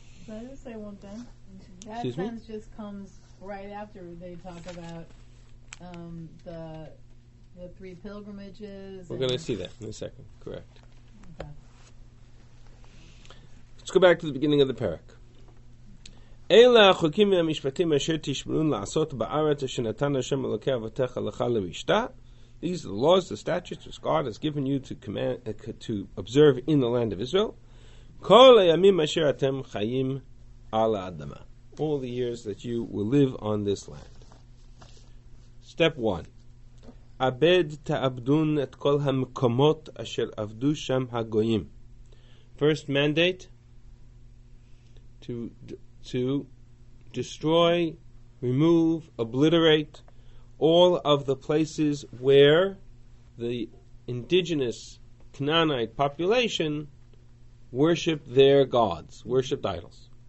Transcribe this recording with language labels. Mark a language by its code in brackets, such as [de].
[en] I didn't say one thing. That Excuse sentence me? Just comes right after they talk about the three pilgrimages. We're going to see that in a second. Correct. Okay. Let's go back to the beginning of the parak. [he] אלה החוקים והמשפטים אשר תשמרון לעשות בארץ אשר נתן השם אלוקי אבותיך לך לרשתה. [en] These are the laws, the statutes which God has given you to command, to observe in the land of Israel. [he] כל הימים אשר אתם חיים על האדמה. [en] All the years that you will live on this land. Step 1. [he] עבד תעבדון את כל המקומות אשר עבדו שם הגויים. [en] First mandate to destroy, remove, obliterate all of the places where the indigenous Canaanite population worship their gods, worshiped idols.